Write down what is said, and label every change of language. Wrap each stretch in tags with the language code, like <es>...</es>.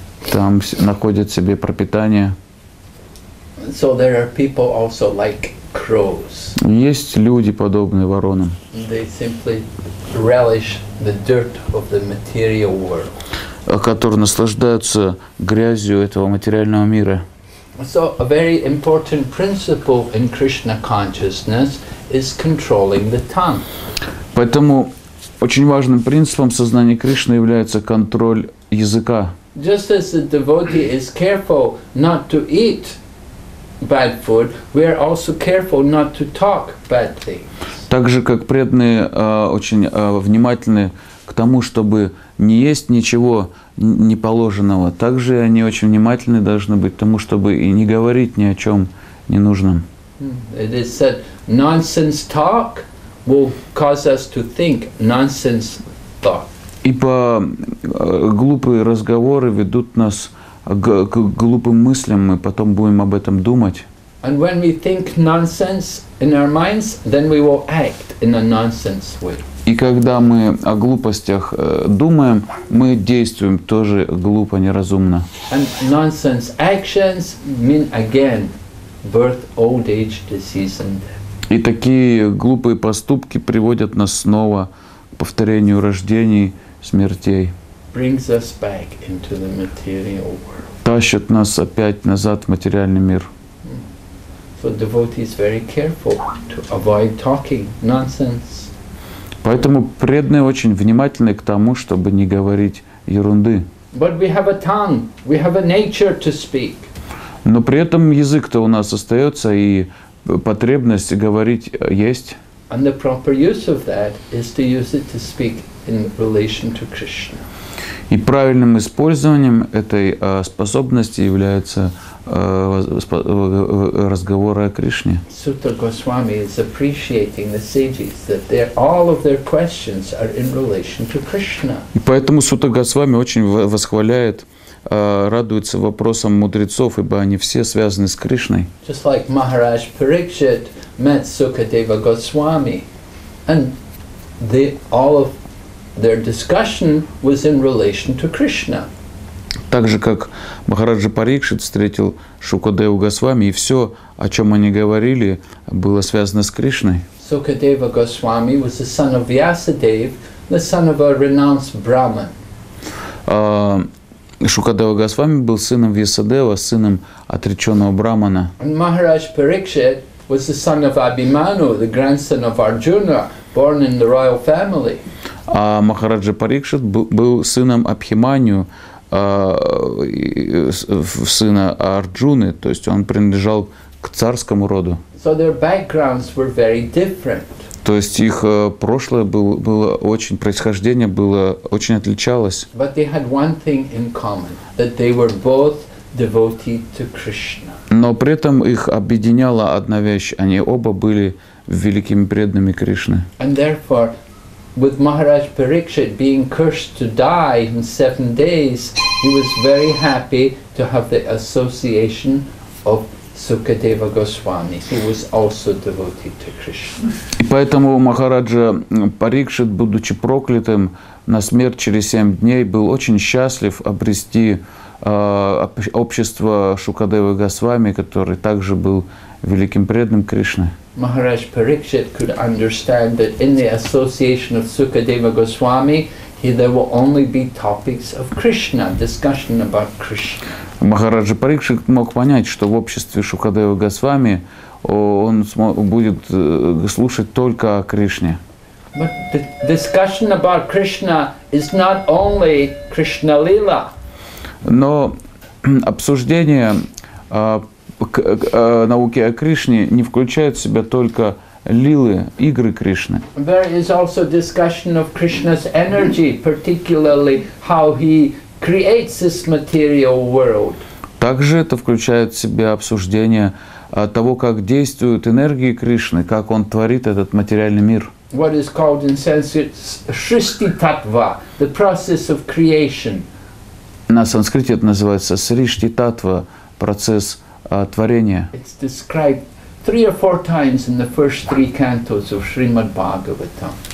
<ru>Там находят себе пропитание.</ru> <en>So there are people also like crows.</en> <ru>Есть люди, подобные воронам.</ru> <en>They simply relish the dirt of the material world.</en> <ru>Которые наслаждаются грязью этого материального мира.</ru> <en>So a very important principle in Krishna consciousness is controlling the tongue.</en> <ru>Поэтому очень важным принципом сознания Кришны является контроль языка.</ru> <en>Just as the devotee is careful not to eat bad food, we are also careful not to talk bad things.</en> <ru>Так же, как преданные очень внимательны к тому, чтобы не есть ничего неположенного. Также они очень внимательны должны быть к тому, чтобы и не говорить ни о чем ненужном.</ru> <en>It is said, nonsense talk will cause us to think nonsense thought.</en> <ru>Ибо глупые разговоры ведут нас к глупым мыслям, мы потом будем об этом думать.</ru> <en>And when we think nonsense in our minds, then we will act in a nonsense way.</en> <ru>И когда мы о глупостях думаем, мы действуем тоже глупо, неразумно.</ru> <en>And nonsense actions mean again birth, old age, disease and death.</en> <ru>И такие глупые поступки приводят нас снова к повторению рождений, смертей.</ru> <en>Brings us back into the material world.</en> <ru>Тащит нас опять назад в материальный мир.</ru> <en>So devotee is very careful to avoid talking nonsense.</en> <ru>Поэтому преданные очень внимательны к тому, чтобы не говорить ерунды.</ru> <en>But we have a tongue, we have a nature to speak.</en> <ru>Но при этом язык-то у нас остается, и потребность говорить есть.</ru> <en>And the proper use of that is to use it to speak in relation to Krishna.</en> <ru>И правильным использованием этой способности является разговоры о Кришне.</ru> <en>Sutta Goswami is appreciating the sages that their all of their questions are in relation to Krishna.</en> <ru>И поэтому Сутта Госвами очень восхваляет, радуется вопросам мудрецов, ибо они все связаны с Кришной.</ru> <en>Just like Maharaj Parikshit met Sukadeva Goswami, and all of their discussion was in relation to Krishna.</en> <ru>Так же, как Махараджа Парикшит встретил Шукадеву Госвами, и все, о чем они говорили, было связано с Кришной.</ru> <en>Сукадева Госвами was the son of Vyasadev, the son of a renounced Brahman.</en> <ru>Шукадева Госвами был сыном Вьясадева, сыном отреченного Брахмана.</ru> <en>Махарадж Парикшит was the son of Abhimanyu, the grandson of Arjuna, born in the royal family.</en> <ru>А Махараджа Парикшит был сыном Абхиманию, сына Арджуны, то есть он принадлежал к царскому роду.</ru> <en>So their backgrounds were very different.</en> <ru>То есть их прошлое было очень, происхождение было очень отличалось.</ru> <en>But they had one thing in common, that they were both devoted to Krishna.</en> <ru>Но при этом их объединяла одна вещь, они оба были великими преданными Кришны.</ru> <en>And therefore, with Maharaj Parikshit being cursed to die in 7 days, he was very happy to have the association of Sukadeva Goswami. He was also devoted to Krishna.</en> <ru>И поэтому Махараджа Парикшит, будучи проклятым на смерть через 7 дней, был очень счастлив обрести общество Шукадевы Госвами, который также был великим преданным Кришны.</ru> <en>Maharaj Parikshit could understand that in the association of Sukadeva Goswami, there will only be topics of Krishna, discussion about Krishna.</en> <ru>Махараджа Парикшит мог понять, что в обществе Шукадевы Госвами он будет слушать только о Кришне.</ru> <en>But the discussion about Krishna is not only Krishna Lila.</en> <ru>Но обсуждение науки о Кришне не включает в себя только лилы, игры Кришны.</ru> <en>There is also discussion of Krishna's energy, particularly how he creates this material world.</en> <ru>Также это включает в себя обсуждение того, как действуют энергии Кришны, как он творит этот материальный мир.</ru> <en>What is called in Sanskrit Shristi Tattva, the process of creation.</en> <ru>На санскрите это называется Сришти Татва, процесс творения.</ru> <en>It's described 3 or 4 times in the first 3 cantos of Srimad Bhagavatam.</en>